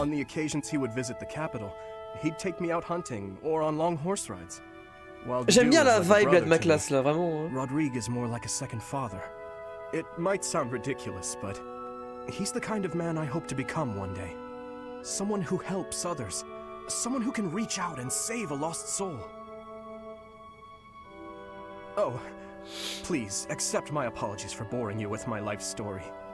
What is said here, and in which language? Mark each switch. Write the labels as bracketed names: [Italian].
[English] On the occasions he would visit the capital, he'd take me out hunting or on long horse rides. [French] While j'aime bien la vibe là, de ma classe là, vraiment. Hein. [English] Rodrigue is more like a second father. It might sound ridiculous, but he's the kind of man I hope to become one day. Someone who helps others. Someone who can reach out and save a lost soul. Oh, please, accept my apologies for boring you with my life story.